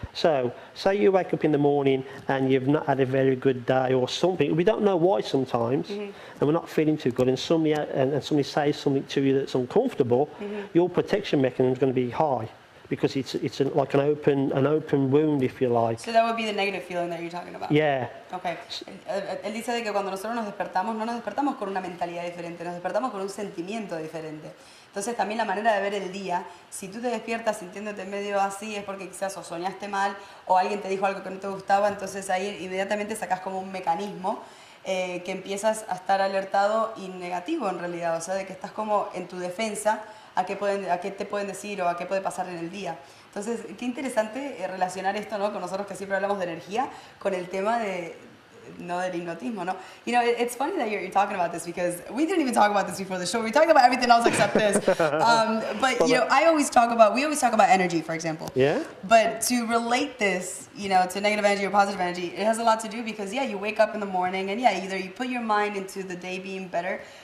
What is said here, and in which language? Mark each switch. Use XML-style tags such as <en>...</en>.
<en>So, say you wake up in the morning and you've not had a very good day or something. We don't know why sometimes. Mm-hmm. And we're not feeling too good. And somebody says something to you that's uncomfortable. Mm-hmm. Your protection mechanism is going to be high. Because it's like an open wound, if you like. So that would be the negative feeling that you're talking about. Yeah. Okay.</en> <es>Él dice de que cuando nosotros nos despertamos con una mentalidad diferente, nos despertamos con un sentimiento diferente. Entonces también la manera de ver el día, si tú te despiertas sintiéndote medio así, es porque quizás o soñaste mal o alguien te dijo algo que no te gustaba, entonces ahí inmediatamente sacas como un mecanismo que empiezas a estar alertado y negativo en realidad, o sea, de que estás como en tu defensa. ¿A qué te pueden decir o a qué puede pasar en el día? Entonces, qué interesante relacionar esto, ¿no? Con nosotros que siempre hablamos de energía, con el tema de no del hipnotismo, ¿no?</es> <en>You know, it's funny that you're talking about this because we didn't even talk about this before the show. We talked about everything else except this. But you know, we always talk about energy, for example. Yeah. But to relate this, you know, to negative energy or positive energy, it has a lot to do because you wake up in the morning and either you put your mind into the day being better.</en>